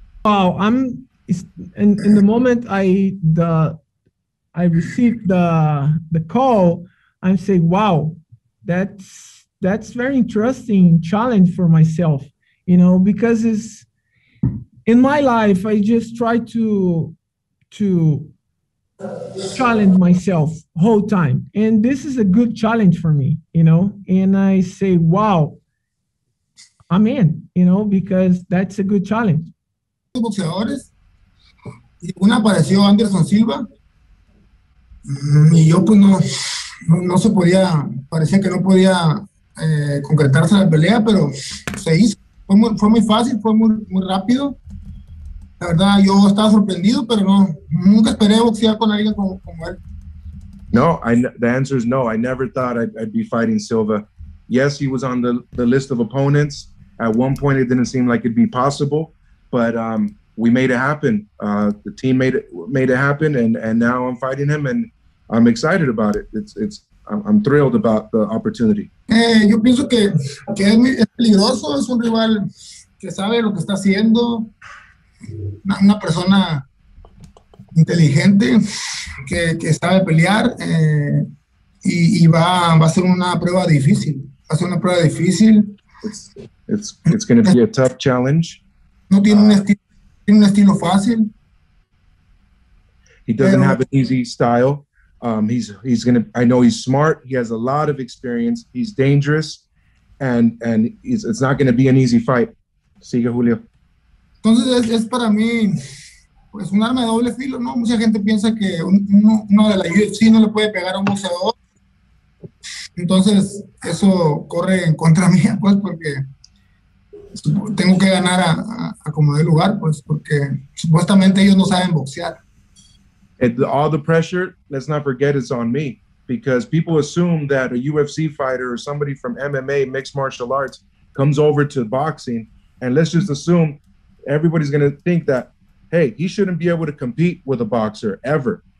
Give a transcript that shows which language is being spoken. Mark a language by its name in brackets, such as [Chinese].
[English] Wow, in the moment I received the call, I say, wow, that's very interesting challenge for myself, you know, because it's in my life, I just try to challenge myself whole time, and this is a good challenge for me, you know, and I say, wow, I'm in, you know, because that's a good challenge. [Spanish] Boxeadores, y uno apareció Anderson Silva, y yo pues no se podía, parecía que no podía concretarse la pelea, pero se hizo, fue muy fácil, fue muy rápido. La verdad, yo estaba sorprendido, pero no, nunca esperé boxear con alguien como él. [English] No, the answer is no. I never thought I'd be fighting Silva. Yes, he was on the list of opponents. At one point, it didn't seem like it'd be possible, but we made it happen. The team made it happen, and now I'm fighting him, and I'm excited about it. I'm thrilled about the opportunity. [Spanish] Yo pienso que es peligroso. Es un rival que sabe lo que está haciendo. Una persona inteligente que sabe pelear, y va a ser una prueba difícil. Va a ser una prueba difícil. [English] It's going to be a tough challenge. [Spanish] No tiene un estilo fácil. [English] He doesn't have an easy style. He's going to. I know he's smart. He has a lot of experience. He's dangerous, and it's not going to be an easy fight. [Spanish] Siga, Julio. Entonces es para mí pues un arma de doble filo, ¿no? Mucha gente piensa que uno de la UFC no le puede pegar a un boxeador. Entonces eso corre en contra mía, pues, porque tengo que ganar a como de lugar, pues, porque supuestamente ellos no saben boxear. [English] All the pressure, let's not forget, is on me, because people assume that a UFC fighter or somebody from MMA, mixed martial arts, comes over to boxing, and let's just assume everybody's going to think that, hey, he shouldn't be able to compete with a boxer ever.